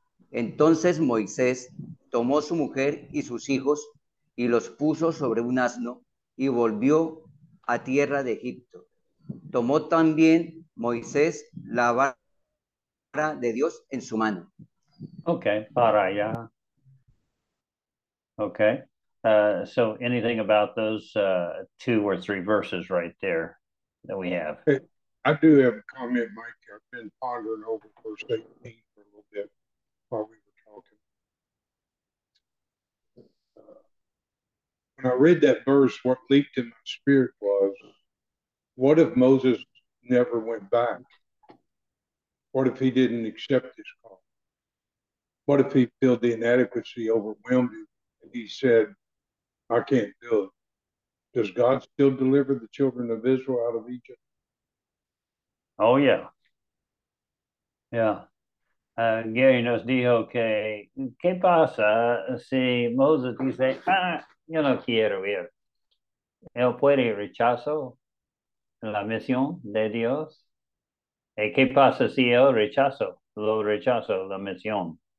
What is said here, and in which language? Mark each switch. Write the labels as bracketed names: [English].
[Spanish] Entonces Moisés tomó su mujer y sus hijos y los puso sobre un asno y volvió a tierra de Egipto. Tomó también Moisés la vara de Dios en su mano. Ok, para allá. Ok. [English] So anything about those two or three verses right there that we have? I do have a comment, Mike. I've been pondering over verse 18 for a little bit while we were talking. When I read that verse, what leaped in my spirit was, what if Moses never went back? What if he didn't accept his call? What if he felt the inadequacy overwhelmed him and he said, I can't do it? Does God still deliver the children of Israel out of Egypt? Oh, yeah. Yeah. [Spanish] Gary nos dijo que, ¿qué pasa si Moses dice, yo no quiero ir? ¿Él puede rechazo la misión de Dios? ¿Y qué pasa si él rechazo la misión?